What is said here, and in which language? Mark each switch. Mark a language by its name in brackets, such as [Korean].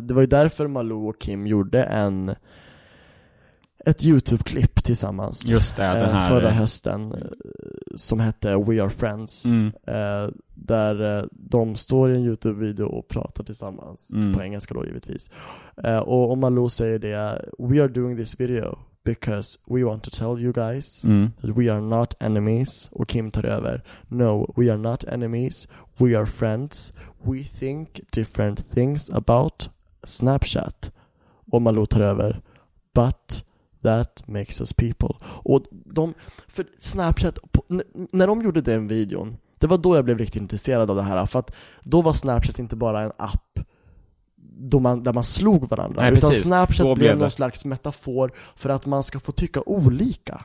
[Swedish] Det var ju därför Malou och Kim gjorde ett YouTube-klipp tillsammans. Just det, den här... förra hösten som hette We Are Friends. Där de står i en YouTube-video och pratar tillsammans på engelska då givetvis. Och Malou säger det: [English] We are doing this video because we want to tell you guys that we are not enemies. [Swedish] Och Kim tar över: [English] No, we are not enemies. We are friends. We think different things about Snapchat. [Swedish] Och Malou tar över: [English] But that makes us people. [Swedish] Och de, för Snapchat, när de gjorde den videon, det var då jag blev riktigt intresserad av det här. För att då var Snapchat inte bara en app då man, där man slog varandra. Nej, utan precis. Snapchat blev någon slags metafor för att man ska få tycka olika.